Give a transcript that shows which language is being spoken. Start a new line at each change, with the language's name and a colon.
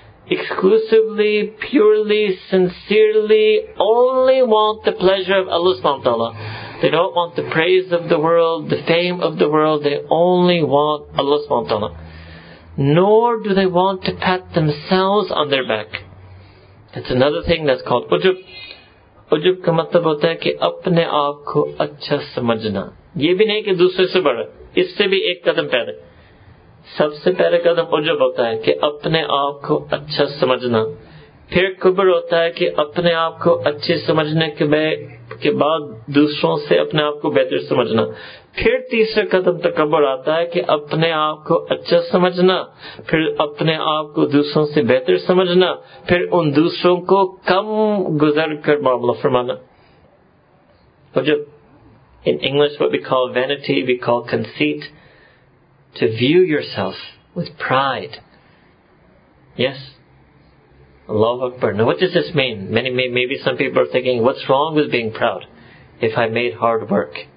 English: Exclusively, purely, sincerely, only want the pleasure of Allah subhanahu wa ta'ala. They don't want the praise of the world, the fame of the world. They only want Allah subhanahu wa ta'ala. Nor do they want to pat themselves on their back. That's another thing that's called ujub.
Urdu: عجب کا مطلب ہوتا ہے کہ اپنے آپ کو اچھا سمجھنا. یہ بھی نہیں کہ دوسرے سے بڑھ, اس سے بھی ایک قدم پہلے. سب سے پہلے قدم عجب ہوتا ہے کہ اپنے آپ کو اچھا سمجھنا. پھر کبر ہوتا ہے کہ اپنے آپ کو اچھے سمجھنے کے بعد دوسروں سے اپنے آپ کو بہتر سمجھنا. फिर तीसरे कदम तकबर आता है कि अपने आप को अच्छा समझना, फिर अपने आप को दूसरों से बेहतर समझना, फिर उन दूसरों को कम गुजर कर मामला फरमाना. और जब
English: in English what we call vanity, we call conceit, to view yourself with pride. Yes? Allahu Akbar. Now what does this mean? Maybe some people are thinking, what's wrong with being proud if I made hard work?